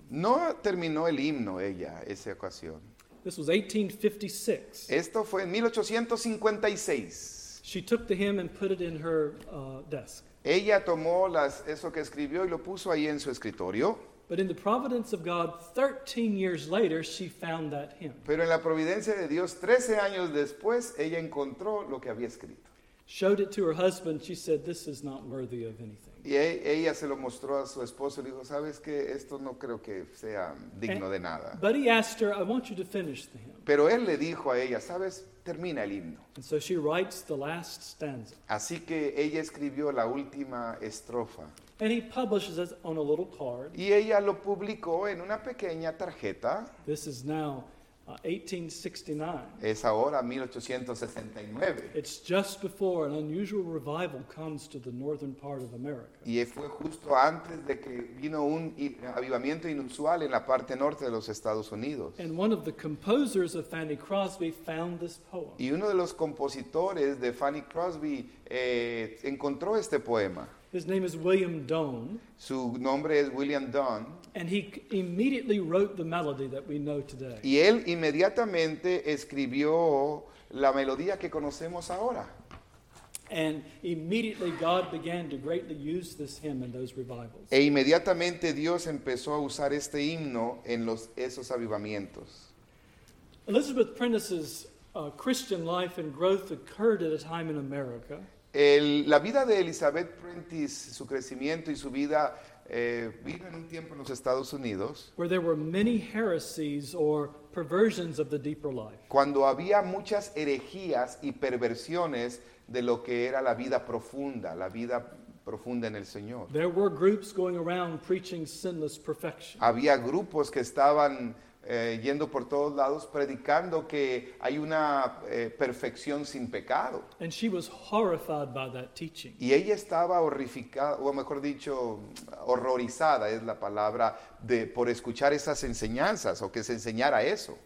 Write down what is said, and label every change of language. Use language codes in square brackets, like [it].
[es] No terminó el himno ella esa ocasión. [en] This was 1856. [es] Esto fue en 1856. [en] She took the hymn and put it in her desk. [es] Ella tomó eso que escribió y lo puso ahí en su escritorio. [en] But in the providence of God, 13 years later, she found that hymn. [es] Pero en la providencia de Dios, 13 años después, ella encontró lo que había escrito. [en] Showed it to her husband. She said, "This is not worthy of anything." [es] Y ella se lo mostró a su esposo y le dijo, ¿sabes qué? Esto no creo que sea digno de nada. [en] But he asked her, I want you to finish the hymn. [es] Pero él le dijo a ella, ¿sabes? Termina el himno. [en] And so she writes the last stanza. [es] Así que ella escribió la última estrofa. [en] And he publishes it on a little card. [es] Y ella lo publicó en una pequeña tarjeta. [en] This is now 1869. [es] Es ahora 1869. [en] It's just before an unusual revival comes to the northern part of America. [es] Y fue justo antes de que vino un avivamiento inusual en la parte norte de los Estados Unidos. [en] And one of the composers of Fanny Crosby found this poem. [es] Y uno de los compositores de Fanny Crosby encontró este poema. [en] His name is William Doane. [es] Su nombre es William Doane. [en] And he immediately wrote the melody that we know today. [es] Y él inmediatamente escribió la melodía que conocemos ahora. [en] And immediately God began to greatly use this hymn in those revivals. [es] E inmediatamente Dios empezó a usar este himno en esos avivamientos. [en] Elizabeth Prentice's Christian life and growth occurred at a time in America. [es] La vida de Elizabeth Prentice, su crecimiento y su vida vino en un tiempo en los Estados Unidos. [en] Where there were many heresies or perversions of the deeper life. [es] Cuando había muchas herejías y perversiones de lo que era la vida profunda en el Señor. [en] There were groups going around preaching sinless perfection. [es] Había grupos que estaban yendo por todos lados predicando que hay una perfección sin pecado. [en] And she was horrified by that teaching. [es] Y ella estaba horrificada, o mejor dicho, horrorizada es la palabra, de por escuchar esas enseñanzas o que se enseñara eso.